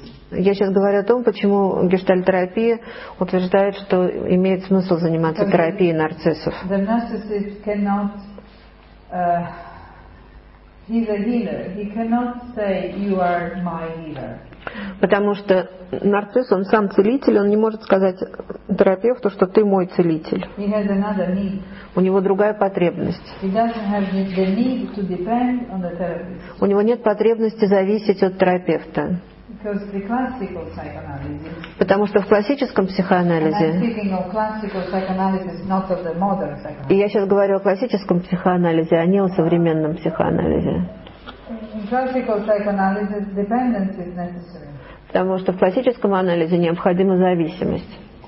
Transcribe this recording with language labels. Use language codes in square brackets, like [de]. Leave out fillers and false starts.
[ru] Я сейчас говорю о том, почему гештальт-терапия утверждает, что имеет смысл заниматься терапией нарциссов. [en] The narcissist cannot, he's a healer. He cannot say you are my healer. [ru] Потому что нарцисс, он сам целитель, он не может сказать терапевту, что ты мой целитель. [en] He has another need. [ru] У него другая потребность. [en] He doesn't have the need to depend on the therapist. [ru] У него нет потребности зависеть от терапевта. [en] Because the classical psychoanalysis, [ru] потому что в классическом психоанализе, [en] and I'm speaking of classical psychoanalysis, not of the modern psychoanalysis. [ru] И я сейчас говорю о классическом психоанализе, а не о современном психоанализе. [en] In classical psychoanalysis, dependence is necessary. [ru] Потому что в классическом анализе необходима зависимость.